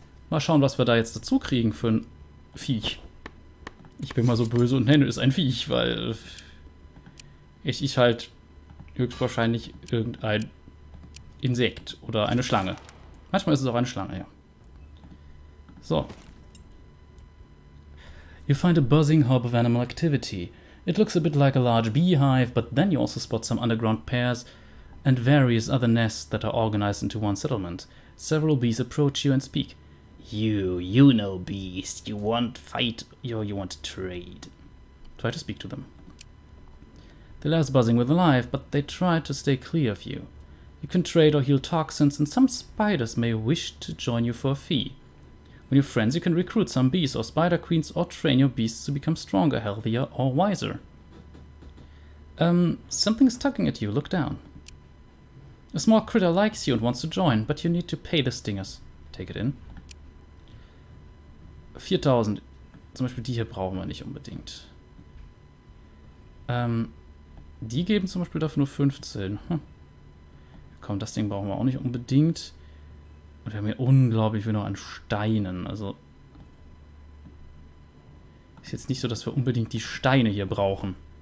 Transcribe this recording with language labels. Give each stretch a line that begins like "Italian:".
German: Mal schauen, was wir da jetzt dazu kriegen für ein Viech. Ich bin mal so böse und nenne es ein Viech, weil... Es ist halt höchstwahrscheinlich irgendein Insekt oder eine Schlange. Manchmal ist es auch eine Schlange, ja. So.
English: You find a buzzing hub of animal activity. It looks a bit like a large beehive, but then you also spot some underground pairs and various other nests that are organized into one settlement. Several bees approach you and speak. You know beast. You want fight, or you want trade. Try to speak to them. The last buzzing with alive, but they try to stay clear of you. You can trade or heal toxins, and some spiders may wish to join you for a fee. When you're friends, you can recruit some bees or spider queens, or train your beasts to become stronger, healthier, or wiser. Something's tugging at you. Look down. A small critter likes you and wants to join, but you need to pay the stingers. Take it in. 4000.
German: Zum Beispiel die hier brauchen wir nicht unbedingt. Die geben zum Beispiel dafür nur 15. Komm, das Ding brauchen wir auch nicht unbedingt. Und wir haben hier unglaublich viel noch an Steinen. Also ist jetzt nicht so, dass wir unbedingt die Steine hier brauchen.